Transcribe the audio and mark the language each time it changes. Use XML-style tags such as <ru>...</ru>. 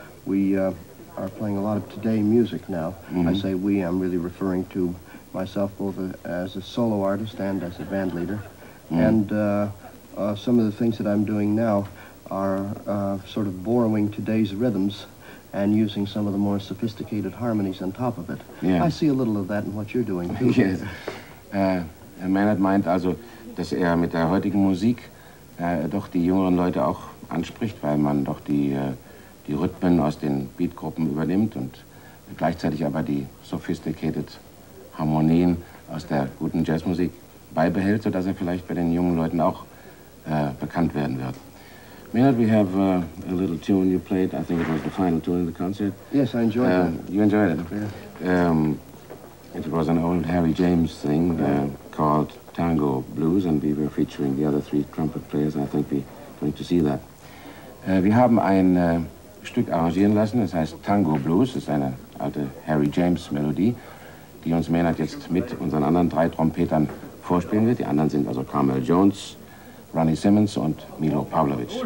<en>We are playing a lot of today music now. Mm-hmm. I say we, I'm really referring to myself both as a solo artist and as a band leader. Mm-hmm. And some of the things that I'm doing now are sort of borrowing today's rhythms and using some of the more sophisticated harmonies on top of it. Yeah. I see a little of that in what you're doing, too. Yes.</en> <de>A man had meint also, dass er mit der heutigen Musik doch die jüngeren Leute auch anspricht, weil man doch die Rhythmen aus den Beatgruppen übernimmt und gleichzeitig aber die sophisticated Harmonien aus der guten Jazzmusik beibehält, sodass er vielleicht bei den jungen Leuten auch bekannt werden wird.</de> <en>Maynard, we have a little tune you played. I think it was the final tune of the concert. Yes, I enjoyed it. You enjoyed it? Yeah. It was an old Harry James thing called Tango Blues, and we were featuring the other three trumpet players. I think we're going to see that.</en> <de>Wir haben ein Stück arrangieren lassen, das heißt Tango Blues, das ist eine alte Harry James Melodie, die uns Maynard jetzt mit unseren anderen drei Trompetern vorspielen wird. Die anderen sind also Carmel Jones, Ronnie Simmons und Milo Pavlovic.</de>